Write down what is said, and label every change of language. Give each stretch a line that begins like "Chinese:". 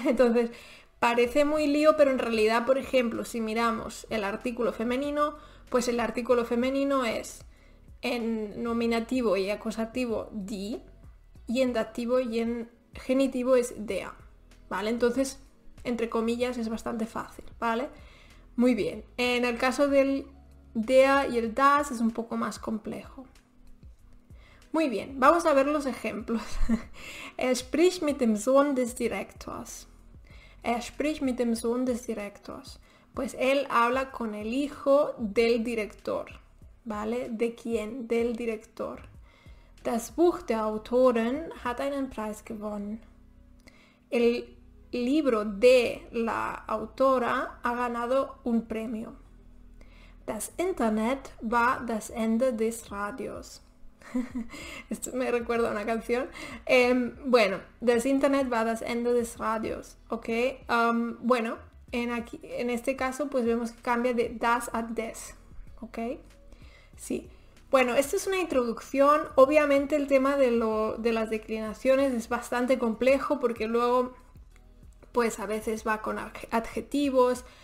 Spanish: Entonces, parece muy lío, pero en realidad, por ejemplo, si miramos el artículo femenino, pues el artículo femenino es en nominativo y acusativo die, y en dativo y en genitivo es der, ¿vale? Entonces, entre comillas, es bastante fácil, ¿vale? Muy bien, en el caso del der y el das es un poco más complejo. Muy bien, vamos a ver los ejemplos.
German: Er spricht mit dem Sohn des Direktors. Er spricht mit dem Sohn des Direktors.
Spanish: Pues él habla con el hijo del director, ¿vale? ¿De quién? Del director.
German: Das Buch der Autoren hat einen Preis gewonnen.
Spanish: El libro de la autora ha ganado un premio.
German: Das Internet war das Ende des Radios.
Spanish: Esto me recuerda a una canción. Bueno,
German: das Internet war das Ende des Radios, ¿ok?
Spanish: Bueno, en este caso, pues vemos que cambia de das a des, ¿ok? Sí. Bueno, esta es una introducción. Obviamente el tema de las declinaciones es bastante complejo, porque luego, pues a veces va con adjetivos.